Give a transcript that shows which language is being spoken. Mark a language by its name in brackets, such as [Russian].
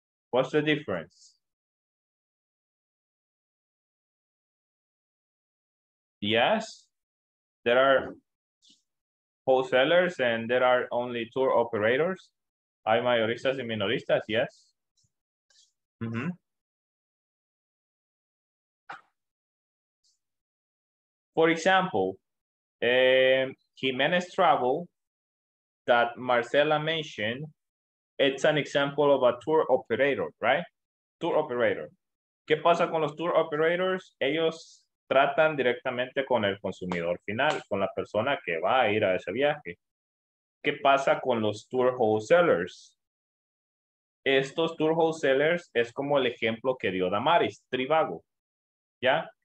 [English] What's the difference? Yes, there are wholesalers and there are only tour operators. [Spanish] Hay mayoristas y minoristas, [English] yes. Mm-hmm. For example, Jimenez Travel that Marcela mentioned, it's an example of a tour operator, right? Tour operator. [Spanish] ¿Qué pasa con los tour operators? Ellos tratan directamente con el consumidor final, con la persona que va a ir a ese viaje. ¿Qué pasa con los tour wholesalers? Estos tour wholesalers es como el ejemplo que dio Damaris, Trivago. ¿Ya?